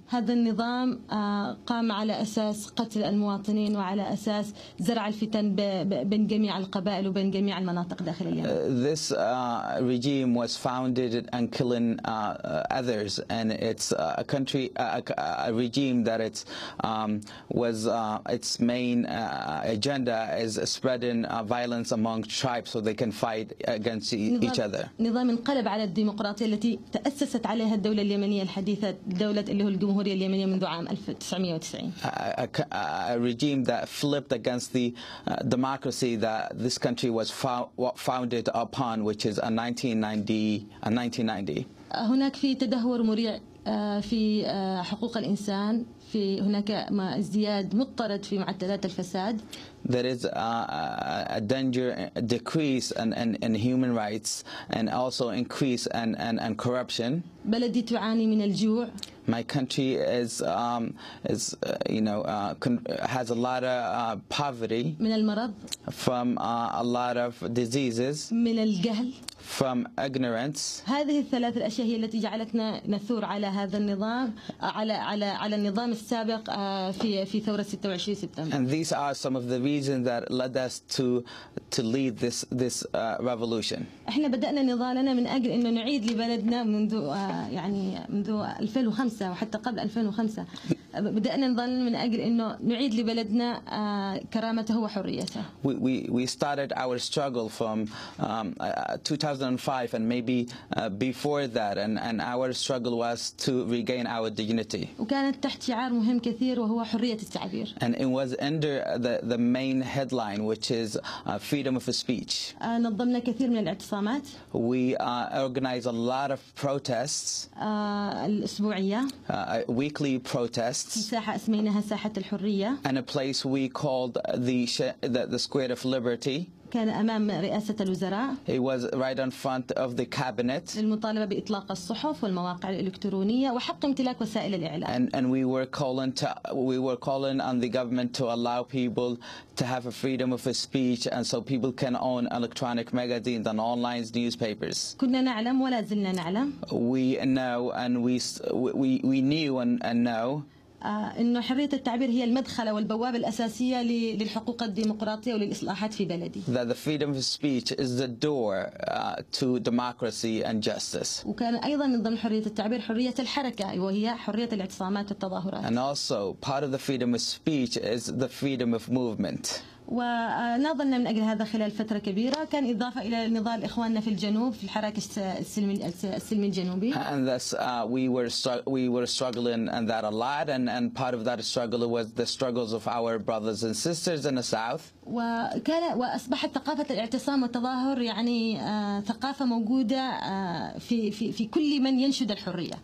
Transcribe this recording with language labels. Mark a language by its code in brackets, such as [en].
[ar] هذا النظام قام على أساس قتل المواطنين وعلى أساس زرع الفتن بين جميع القبائل وبين جميع المناطق داخل اليمن. [en] This regime was founded on killing others, and it's a country, a regime that it's was its main agenda is spreading violence among tribes so they can fight against each other. [ar] نظام انقلب على الديمقراطية التي تأسست عليها الدولة اليمنية الحديثة, دولة اللي هو الجمهورية اليمنية منذ عام 1990. [en] A regime that flipped against the democracy that this country was founded upon, which is a 1990. [ar] هناك في تدهور مريع في حقوق الإنسان. في هناك ما ازدياد مضطرد في معدلات الفساد. [en] There is a danger decrease in human rights and also increase in corruption. [ar] بلدي تعاني من الجوع. [en] My country is you know has a lot of poverty. [ar] من المرض. [en] From a lot of diseases. [ar] من الجهل. [en] From ignorance. [ar] هذه الثلاث الأشياء هي التي جعلتنا نثور على هذا النظام على على على النظام السابق في ثورة 26 سبتمبر. [en] And these are some of the reasons that led us to lead this revolution. [ar] إحنا بدأنا نضالنا من أجل إنه نعيد لبلدنا منذ يعني منذ 2005 وحتى قبل 2005 بدأنا نظل من أجل إنه نعيد لبلدنا كرامته وحريته. [en] We started our struggle from 2005 and maybe before that, and our struggle was to regain our dignity. [ar] وكانت تحت شعار مهم كثير وهو حرية التعبير. [en] And it was under the main headline, which is freedom of speech. [ar] نظمنا كثير من الاعتصامات. [en] We organized a lot of protests. [ar] الأسبوعية. [en] Weekly protests. [ar] ساحة اسميناها ساحة الحرية. [en] And a place we called the Square of Liberty. [ar] كان أمام رئاسة الوزراء. [en] It was right in front of the cabinet. [ar] للمطالبة بإطلاق الصحف والمواقع الإلكترونية وحق امتلاك وسائل الإعلام. [en] And we were calling on the government to allow people to have a freedom of speech, and so people can own electronic magazines and online newspapers. [ar] كنا نعلم ولا زلنا نعلم. [en] We know and we knew and know. [ar] إنه حرية التعبير هي المدخل والبوابة الأساسية للحقوق الديمقراطية وللإصلاحات في بلدي. [en] That the freedom of speech is the door to democracy and justice. [ar] وكان أيضا من ضمن حرية التعبير حرية الحركة وهي حرية الاعتصامات والتظاهرات. [en] And also part of the freedom of speech is the freedom of movement. [ar] ونظلنا من أجل هذا خلال فترة كبيرة كان إضافة إلى نضال إخواننا في الجنوب في الحركة السلمي الجنوبي. [en] And thus we were struggling and that a lot and part of that struggle was the struggles of our brothers and sisters in the south. [ar] وأصبحت ثقافة الاعتصام والتظاهر يعني ثقافة موجودة في كل من ينشد الحرية.